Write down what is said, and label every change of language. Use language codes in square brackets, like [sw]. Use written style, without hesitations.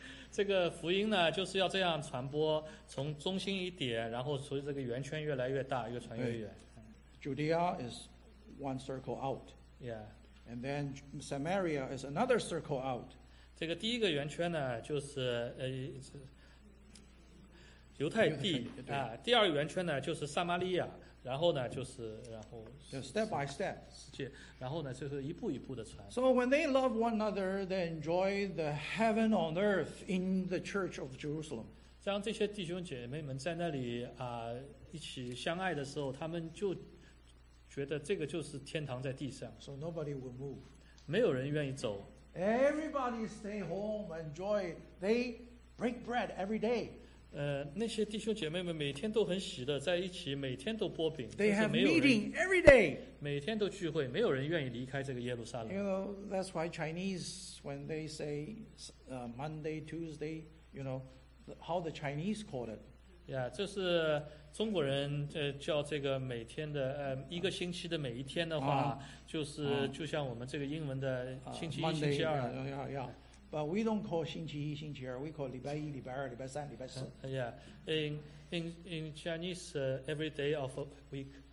[zh] 这个福音呢，就是要这样传播，从中心一点，然后随着这个圆圈越来越大，越传越远。 [en] Judea is one circle out. Yeah. And then Samaria is another circle out. [zh] 这个第一个圆圈呢，就是犹太地啊。第二个圆圈呢，就是撒玛利亚。然后呢，就是然后。 [en] Just step by step. [zh] 然后呢，就是一步一步的传。 [en] So when they love one another, they enjoy the heaven on earth in the church of Jerusalem. [zh] 当这些弟兄姐妹们在那里啊一起相爱的时候，他们就觉得这个就是天堂在地上。 [en] So nobody will move. [zh] 没有人愿意走。 [en] Everybody stay home, enjoy. They break bread every day. [zh] 那些弟兄姐妹们每天都很喜乐，在一起每天都擘饼。 [en] They have meeting every day. [zh] 每天都聚会，没有人愿意离开这个耶路撒冷。 [en] You know, that's why Chinese, when they say Monday, Tuesday, you know, how the Chinese call it. [zh] Yeah, 这是中国人叫这个每天的一个星期的每一天的话，就是就像我们这个英文的星期一、 [en] Monday, [zh] 星期二。 [en] But we don't call [zh] 星期一、星期二， [en] we call [zh] 礼拜一、礼拜二、礼拜三、礼拜四。 [en] Yeah, in Chinese, every day of a week.